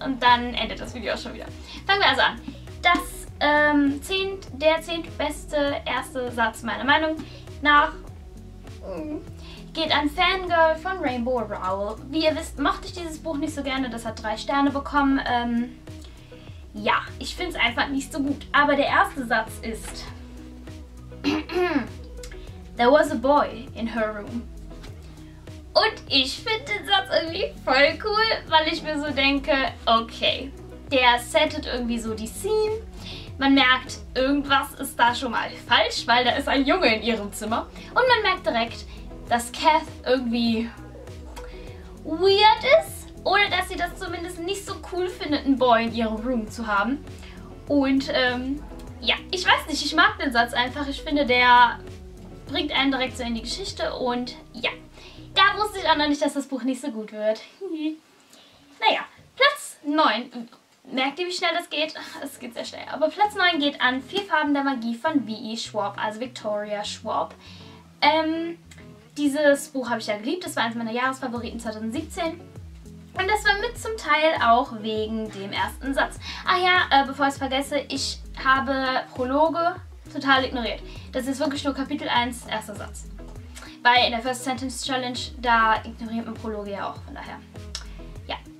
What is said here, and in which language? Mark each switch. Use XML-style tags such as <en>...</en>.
<de>Und dann endet das Video auch schon wieder. Fangen wir also an. Das der zehntbeste erste Satz meiner Meinung nach geht an Fangirl von Rainbow Rowell. Wie ihr wisst, mochte ich dieses Buch nicht so gerne. Das hat 3 Sterne bekommen. Ja, ich finde es einfach nicht so gut. Aber der erste Satz ist...</de> <en>There was a boy in her room.</en> <de>Und ich finde den Satz irgendwie voll cool, weil ich mir so denke, okay, der settet irgendwie so die Scene. Man merkt, irgendwas ist da schon mal falsch, weil da ist ein Junge in ihrem Zimmer. Und man merkt direkt, dass Kath irgendwie weird ist oder dass sie das zumindest nicht so cool findet, einen Boy in ihrem Room zu haben. Und ja, ich weiß nicht, ich mag den Satz einfach. Ich finde, der... bringt einen direkt so in die Geschichte und ja, da wusste ich auch noch nicht, dass das Buch nicht so gut wird. Naja, Platz 9, merkt ihr, wie schnell das geht? Es geht sehr schnell, aber Platz 9 geht an 4 Farben der Magie von V.E. Schwab, also Victoria Schwab. Dieses Buch habe ich ja geliebt, das war eines meiner Jahresfavoriten 2017 und das war mit zum Teil auch wegen dem ersten Satz. Ach ja, bevor ich es vergesse, ich habe Prologe total ignoriert. Das ist wirklich nur Kapitel 1, erster Satz. Weil in der First Sentence Challenge, da ignoriert man Prologe ja auch, von daher. Ja.</de>